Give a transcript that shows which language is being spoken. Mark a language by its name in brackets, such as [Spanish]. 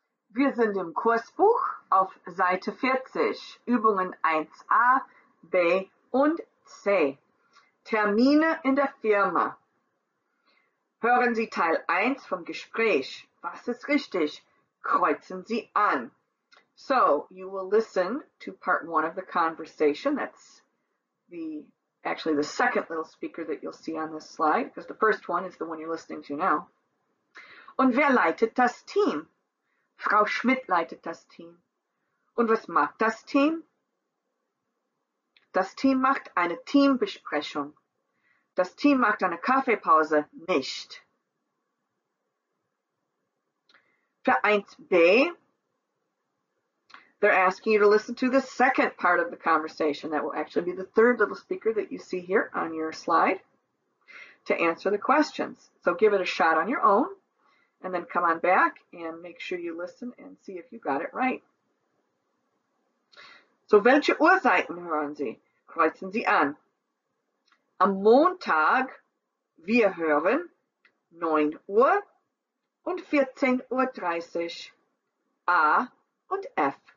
[German] Wir sind im Kursbuch auf Seite 40, Übungen 1a, b und c. Termine in der Firma. Hören Sie Teil 1 vom Gespräch. Was ist richtig? Kreuzen Sie an. [English] So, you will listen to part 1 of the conversation. That's the second little speaker that you'll see on this slide, because the first one is the one you're listening to now. [German] Und wer leitet das Team? Frau Schmidt leitet das Team. Und was macht das Team? Das Team macht eine Teambesprechung. Das Team macht eine Kaffeepause nicht. [English] Vereins B, they're asking you to listen to the second part of the conversation. That will actually be the third little speaker that you see here on your slide to answer the questions. So give it a shot on your own. And then come on back and make sure you listen and see if you got it right. [German] So, welche Uhrzeiten hören Sie? Kreuzen Sie an. Am Montag, wir hören 9 Uhr und 14.30 Uhr. A und F.